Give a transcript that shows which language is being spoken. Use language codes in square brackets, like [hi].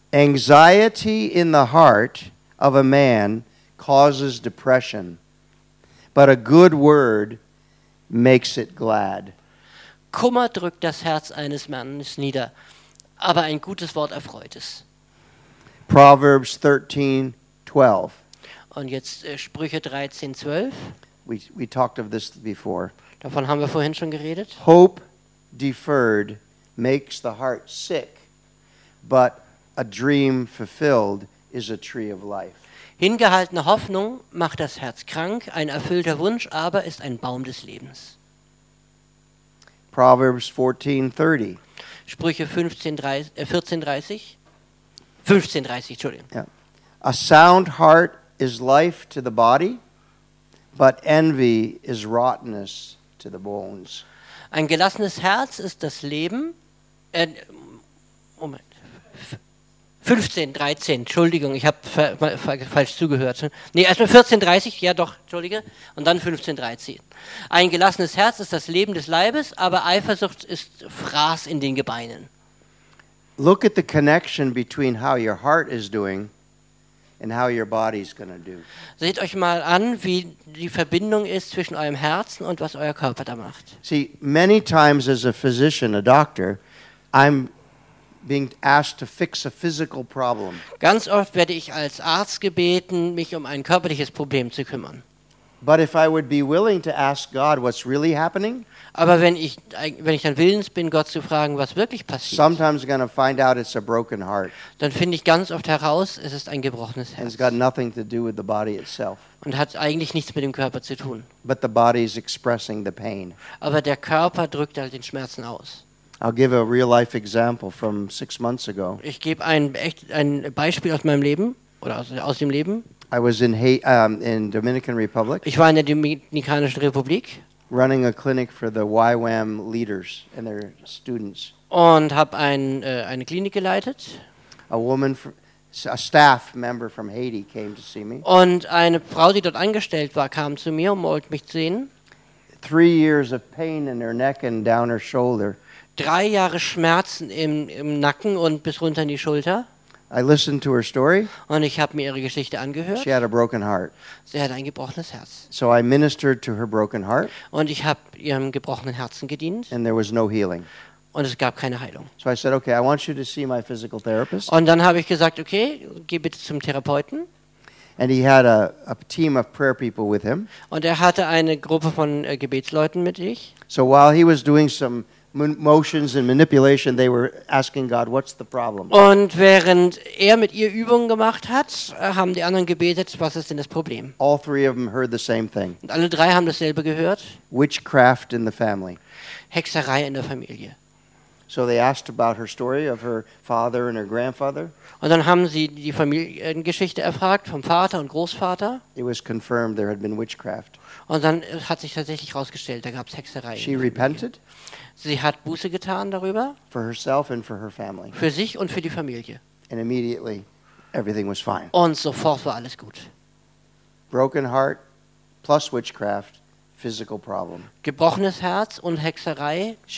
[en] Anxiety in the heart of a man causes depression, but a good word makes it glad. [de] Kummer drückt das Herz eines Mannes nieder, aber ein gutes Wort erfreut es. [en] Proverbs 13:12. [de] Und jetzt Sprüche 13:12. [en] We talked of this before. [de] Davon haben wir vorhin schon geredet. [en] Hope deferred makes the heart sick, but a dream fulfilled is a tree of life. [de] Hingehaltene Hoffnung macht das Herz krank, ein erfüllter Wunsch aber ist ein Baum des Lebens. [en] Proverbs 14:30. [de] Sprüche 15:30, Entschuldigung. [en] Yeah. A sound heart is life to the body, but envy is rottenness to the bones. [de] Ein gelassenes Herz ist das Leben. 15, 13, Entschuldigung, ich habe falsch zugehört. Nee, erstmal 14, 30, ja doch, Entschuldige, und dann 15, 13. Ein gelassenes Herz ist das Leben des Leibes, aber Eifersucht ist Fraß in den Gebeinen. [en] Look at the connection between how your heart is doing and how your body's gonna do. [de] Seht euch mal an, wie die Verbindung ist zwischen eurem Herzen und was euer Körper da macht. [en] See, many times as a physician, a doctor, I'm being asked to fix a physical problem. [de] Ganz oft werde ich als Arzt gebeten, mich um ein körperliches Problem zu kümmern. [en] But if I would be willing to ask God what's really happening? [de] Aber wenn ich dann willens bin, Gott zu fragen, was wirklich passiert. [en] Sometimes gonna find out it's a broken heart. [de] Dann finde ich ganz oft heraus, es ist ein gebrochenes Herz. [en] And it's got nothing to do with the body itself. [de] Und hat eigentlich nichts mit dem Körper zu tun. [en] But the body is expressing the pain. [de] Aber der Körper drückt halt den Schmerzen aus. [en] I'll give a real life example from 6 months ago. [de] Ich gebe ein Beispiel aus meinem Leben oder aus dem Leben. [en] I was in Dominican Republic. [de] Ich war in der Dominikanischen Republik. [en] Running a clinic for the YWAM leaders and their students. [de] Und habe eine Klinik geleitet. [en] A staff member from Haiti came to see me. [de] Und eine Frau, die dort angestellt war, kam zu mir und wollte mich sehen. [en] 3 years of pain in her neck and down her shoulder. [de] 3 Jahre Schmerzen im Nacken und bis runter in die Schulter. [en] I listened to her story. [de] Und ich habe mir ihre Geschichte angehört. [en] She had a broken heart. [de] Sie hat ein gebrochenes Herz. [en] So I ministered to her broken heart. [de] Und ich habe ihrem gebrochenen Herzen gedient. [en] And there was no healing. [de] Und es gab keine Heilung. [en] So I said, okay, I want you to see my physical therapist. [de] Und dann habe ich gesagt, okay, geh bitte zum Therapeuten. [en] And he had a team of prayer people with him. [de] Und er hatte eine Gruppe von Gebetsleuten mit sich. [en] So while he was doing some motions and manipulation, they were asking God, what's the problem? [de] Und während er mit ihr Übungen gemacht hat, haben die anderen gebetet, was ist denn das Problem? [en] All three of them heard the same thing. [de] Und alle drei haben dasselbe gehört. [en] Witchcraft in the family. [de] Hexerei in der Familie. [en] So they asked about her story of her father and her grandfather. [de] Und dann haben sie die Familiengeschichte erfragt vom Vater und Großvater. [en] It was confirmed there had been witchcraft. [de] Und dann hat sich tatsächlich herausgestellt, da gab es Hexerei. [en] She repented. [de] Sie hat Buße getan darüber. [en] For herself and for her family. [de] Für sich und für die Familie. [en] And immediately everything was fine. [de] Und sofort war alles gut. [en] Broken heart plus witchcraft. Physical problem. [de] Gebrochenes Herz und Hexerei.